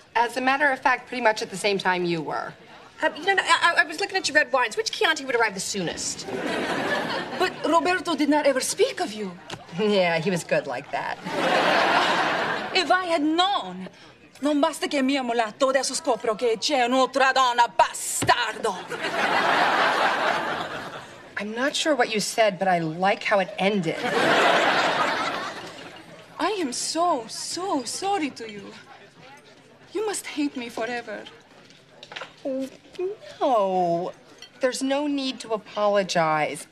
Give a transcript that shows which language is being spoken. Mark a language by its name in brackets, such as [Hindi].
[English] As a matter of fact, pretty much at the same time you were. I was looking at your red wines. Which Chianti would arrive the soonest? But Roberto did not ever speak of you. Yeah, he was good like that. If I had known, [Italian] non basta che mi ha mollato, adesso scopro che c'è un'altra donna, bastardo. [English] I'm not sure what you said, but I like how it ended. I am so, so sorry to you. You must hate me forever. Oh, no. There's no need to apologize.